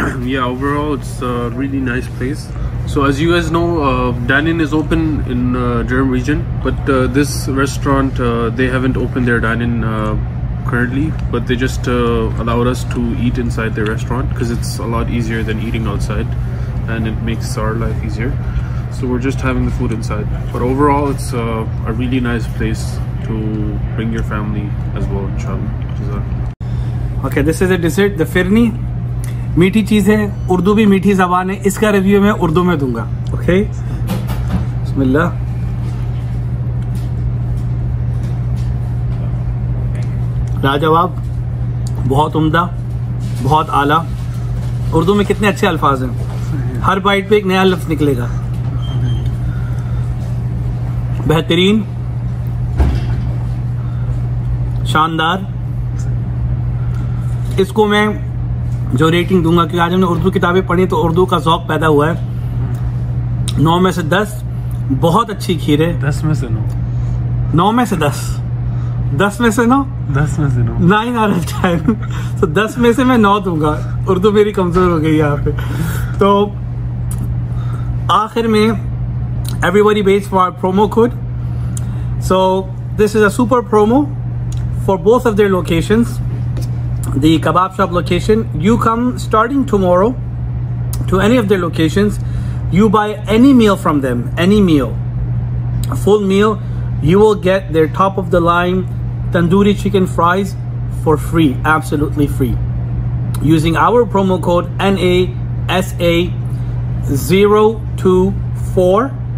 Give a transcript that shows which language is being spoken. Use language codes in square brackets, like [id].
[en] Yeah, overall it's a really nice place. So as you guys know, dine-in is open in Durham region, but this restaurant, they haven't opened their dine-in currently, but they just allowed us to eat inside their restaurant because it's a lot easier than eating outside and it makes our life easier. So we're just having the food inside. But overall, it's a really nice place to bring your family as well, inshallah. Okay, this is a dessert, the firni. [ur] meaty چیز ہے، اردو بھی meaty زبان ہے۔ اس کا review میں اردو میں دوں گا۔ [en] Okay? [ar] Bismillah. [ur] لاجواب، بہت عمدہ، بہت اعلیٰ۔ اردو میں کتنے اچھے الفاظ ہیں۔ ہر bite پہ ایک نیا لفظ نکلے گا۔ بہترین، شاندار۔ اس کو میں جو ریٹنگ دوں گا کیونکہ آج ہم نے اردو کتابیں پڑھی تو اردو کا ذوق پیدا ہوا ہے۔ 9 میں سے 10، بہت اچھی کھیر ہے۔ 10 mein se 9. 9 mein se 10. 10 mein se 9? 10 mein se [en] 9. 9 out of 10. [ur] So 10 میں سے میں 9 دوں گا۔ اردو میری کمزور ہو گئی یہاں پہ۔ تو آخر میں [en] everybody waits for our promo code. So this is a super promo for both of their locations. The kebab shop location, you come starting tomorrow to any of their locations, you buy any meal from them, any meal, a full meal, you will get their top of the line tandoori chicken fries for free, absolutely free, using our promo code NASA024.